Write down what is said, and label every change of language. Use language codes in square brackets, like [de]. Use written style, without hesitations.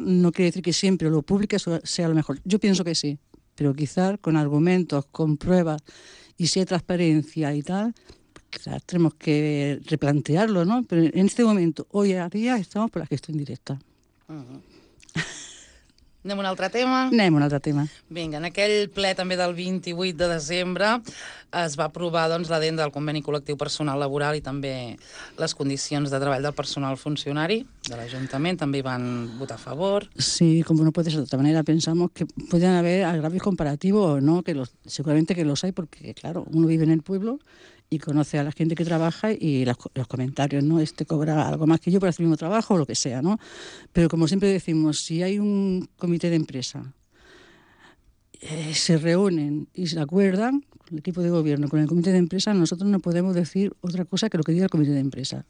[es] No quiere decir que siempre lo público sea lo mejor. Yo pienso que sí. Pero quizás con argumentos, con pruebas, y si hay transparencia y tal, pues quizás tenemos que replantearlo, ¿no? Pero en este momento, hoy a día, estamos por la gestión directa. [ca] Uh-huh. Anem a un altre tema? Anem a un altre tema. Vinga, en aquell ple també del 28 de desembre es va aprovar doncs, l'addenda del conveni col·lectiu personal laboral i també les condicions de treball del personal funcionari de l'Ajuntament, també van votar a favor. [es] Sí, como no puede ser de otra manera, pensamos que pueden haber agravios comparativos o no, que seguramente que los hay, porque claro, uno vive en el pueblo y conoce a la gente que trabaja y los comentarios, ¿no? Este cobra algo más que yo por hacer el mismo trabajo o lo que sea, ¿no? Pero como siempre decimos, si hay un comité de empresa, se reúnen y se acuerdan, el equipo de gobierno con el comité de empresa, nosotros no podemos decir otra cosa que lo que diga el comité de empresa.